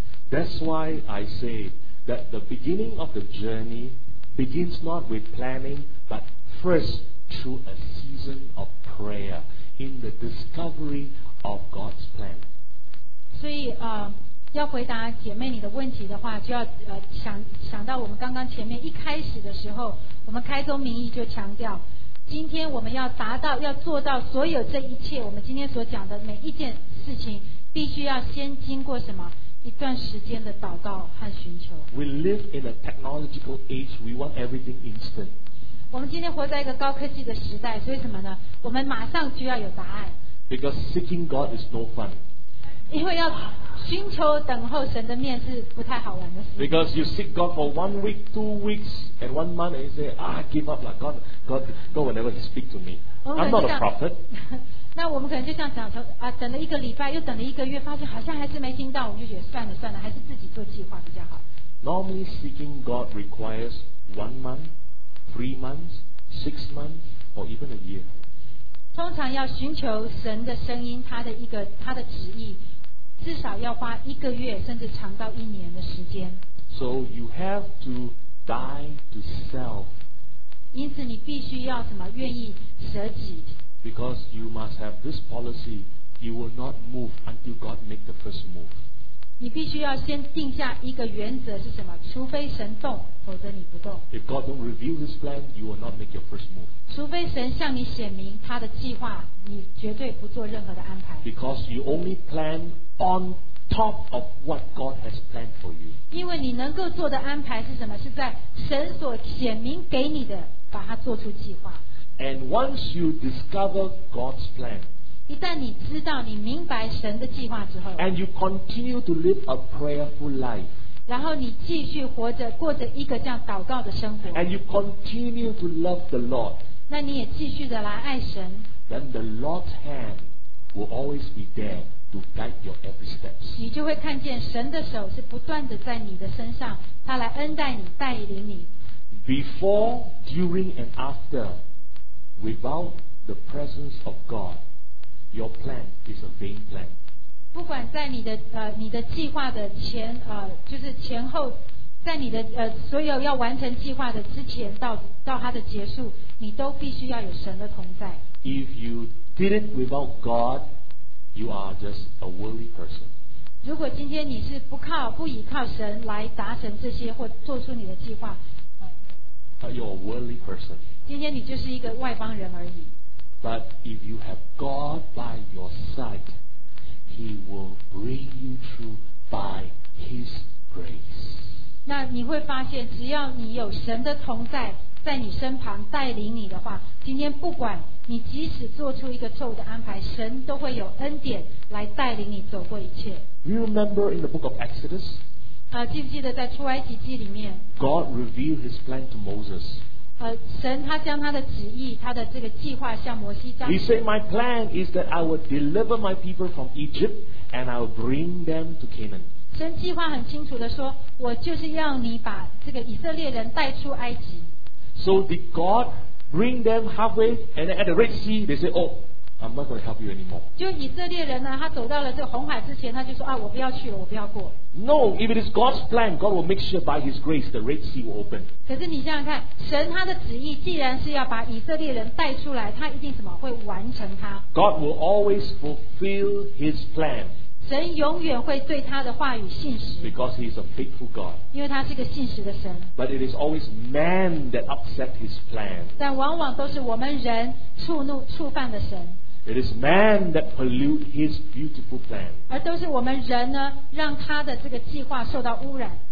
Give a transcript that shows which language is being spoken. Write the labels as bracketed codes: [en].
[en] That's why I say that the beginning of the journey begins not with planning but first through a season of prayer in the discovery of God's plan。 [zh] 所以要回答姐妹你的问题的话，就要想到我们刚刚前面一开始的时候，我们开宗明义就强调，今天我们要达到要做到所有这一切，我们今天所讲的每一件事情，必须要先经过什么一段时间的祷告和寻求。 [en] We live in a technological age. We want everything instant. [zh] 我们今天活在一个高科技的时代，所以什么呢？我们马上就要有答案。 [en] Because seeking God is no fun. [zh] 因为要寻求等候神的面是不太好玩的事。 [en] Because you seek God for 1 week, 2 weeks, and 1 month, and you say, "Ah, give up, lah. God will never speak to me. I'm not a prophet." [zh] 那我们可能就这样讲，等了一个礼拜，又等了一个月，发现好像还是没听到，我们就觉得算了算了，还是自己做计划比较好。 [en] Normally, seeking God requires 1 month, 3 months, 6 months, or even a year. [zh] 通常要寻求神的声音，他的一个他的旨意。至少要花一个月甚至长到一年的时间。 [en] So you have to die to self. [zh] 因此你必须要什么愿意舍己。 [en] Because you must have this policy, you will not move until God make the first move. [zh] 你必须要先定下一个原则是什么，除非神动，否则你不动。 [en] If God don't reveal his plan, you will not make your first move. [zh] 除非神向你显明他的计划，你绝对不做任何的安排。 [en] Because you only planOn top of what God has planned for you. [zh] 因为你能够做的安排是什么？是在神所显明给你的，把它做出计划。 [en] And once you discover God's plan, [zh] 一旦你知道你明白神的计划之后 [en] ，and you continue to live a prayerful life, [zh] 然后你继续活着，过着一个这样祷告的生活 [en] ，and you continue to love the Lord, [zh] 那你也继续的来爱神 [en] ，then the Lord's hand will always be there. To guide your every steps. [zh] 你就会看见神的手是不断的在你的身上，他来恩待你，带领你。 [en] Before, during, and after, without the presence of God, your plan is a vain plan. [zh] 不管在你的你的计划的前就是前后，在你的所有要完成计划的之前到它的结束，你都必须要有神的同在。 [en] If you did it without God. You are just a worldly person. [zh] 如果今天你是不靠不依靠神来达成这些或做出你的计划 [en] You're a worldly person. [zh] 今天你就是一个外邦人而已 [en] But if you have God by your side, He will bring you through by His grace. [zh] 那你会发现只要你有神的同在在你身旁带领你的话，今天不管你即使做出一个错误的安排，神都会有恩典来带领你走过一切。 [en] You remember in the book of Exodus? [zh] 记不记得在出埃及记里面 [en] ？God revealed His plan to Moses. [zh] 神他将他的旨意，他的这个计划向摩西讲。 [en] He said, "My plan is that I will deliver my people from Egypt and I will bring them to Canaan." [zh] 神计划很清楚的说，我就是要你把这个以色列人带出埃及。 [en] So did God bring them halfway, and then at the Red Sea, they say, "Oh, I'm not going to help you anymore." [zh] 就以色列人呢，他走到了这个红海之前，他就说啊，我不要去了，我不要过。 [en] No, if it is God's plan, God will make sure by His grace the Red Sea will open. [zh] 可是你想想看，神他的旨意既然是要把以色列人带出来，他一定什么会完成他。 [en] God will always fulfill His plan. [zh] 神永远会对他的话语信实。 [en] Because He is a faithful God. [zh] 因为他是个信实的神。 [en] But it is always man that upset His plan. [zh] 但往往都是我们人触犯了神。 [en] It is man that pollute His beautiful plan. [zh] 而都是我们人呢，让他的这个计划受到污染。